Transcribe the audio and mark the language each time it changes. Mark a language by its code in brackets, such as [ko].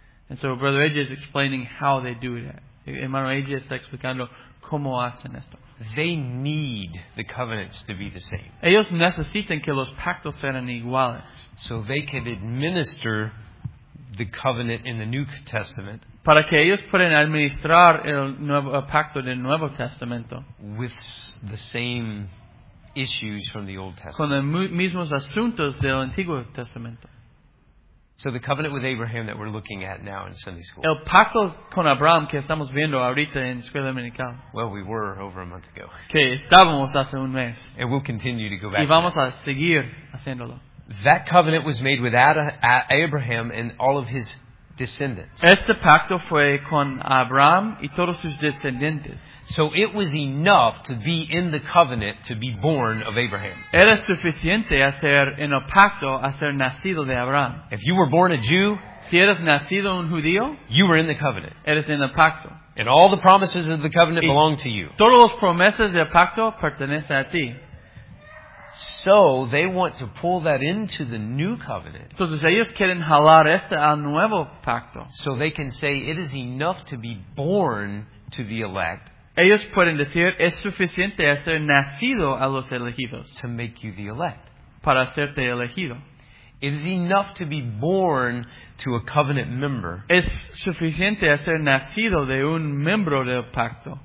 [en] And so, Brother AJ is explaining how they do that. [es] Hermano AJ está explicando cómo hacen esto. [en] They need the covenants to be the same. [es] Ellos necesitan que los pactos sean iguales. [en] So they can administer the covenant in the New Testament. [es] Para que ellos puedan administrar el nuevo pacto del Nuevo Testamento. [en] With the same issues from the Old Testament. [es] Con los mismos asuntos del Antiguo Testamento. [en] So the covenant with Abraham that we're looking at now in Sunday school. [es] El pacto con Abraham que estamos viendo ahorita en escuela dominical. [en] Well, we were over a month ago. [es] Que estábamos hace un mes. [en] And we'll continue to go back. [es] Y vamos a seguir haciéndolo. [en] That covenant was made with Abraham and all of his descendants. [es] Este pacto fue con Abraham y todos sus descendientes. [en] So it was enough to be in the covenant to be born of Abraham. [es] Era suficiente hacer en el pacto hacer nacido de Abraham. [en] If you were born a Jew, [es] si eres nacido un judío, [en] you were in the covenant. [es] Eres en el pacto. [en] And all the promises of the covenant belong to you. [es] Todas las promesas del pacto pertenecen a ti. [en] So they want to pull that into the new covenant. [es] Entonces ellos quieren jalar esto al nuevo pacto. [en] So they can say it is enough to be born to the elect. [es] Ellos pueden decir es suficiente hacer nacido a los elegidos. [en] To make you the elect. [es] Para hacerte elegido. [en] It is enough to be born to a covenant member. [es] Es suficiente hacer nacido de un miembro del pacto.